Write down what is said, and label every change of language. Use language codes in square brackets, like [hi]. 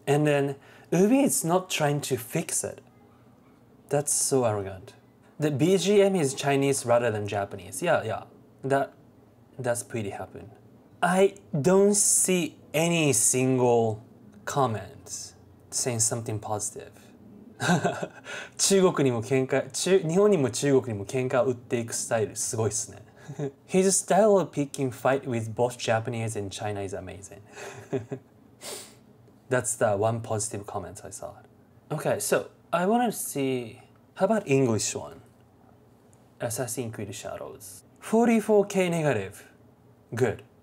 [en] And then Ubi is not trying to fix it. That's so arrogant. The BGM is Chinese rather than Japanese. Yeah. That's pretty happen. I don't see any single comments saying something positive. [ja] 中国にも喧嘩、日本にも中国にも喧嘩を打っていくスタイルすごいっすね。 [en] His style of picking fight with both Japanese and China is amazing. That's the one positive comment I saw. Okay, so I want to see, how about English one? Assassin's Creed Shadows. 44k negative. Good.